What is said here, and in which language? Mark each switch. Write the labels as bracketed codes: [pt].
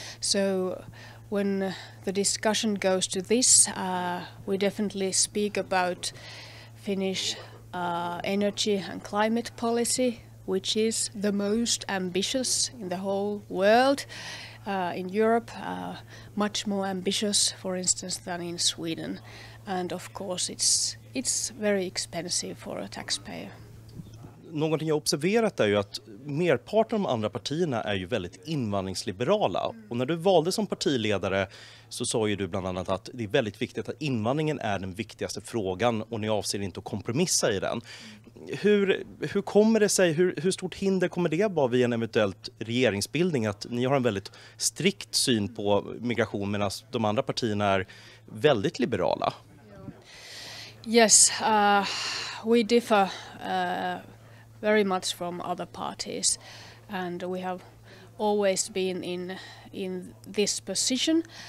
[en] So when the discussion goes to this, we definitely speak about Finnish energy and climate policy, which is the most ambitious in the whole world, in Europe, much more ambitious, for instance, than in Sweden. And of course, it's very expensive for a taxpayer. [sv] Någonting jag observerat är ju att merparten av de andra partierna är ju väldigt invandringsliberala. Och när du valde som partiledare så sa ju du bland annat att det är väldigt viktigt att invandringen är den viktigaste frågan och ni avser inte att kompromissa i den. Hur kommer det sig, hur stort hinder kommer det vara vid en eventuellt regeringsbildning att ni har en väldigt strikt syn på migration medan de andra partierna är väldigt liberala? [en] Yes, we differ very much from other parties, and we have always been in this position.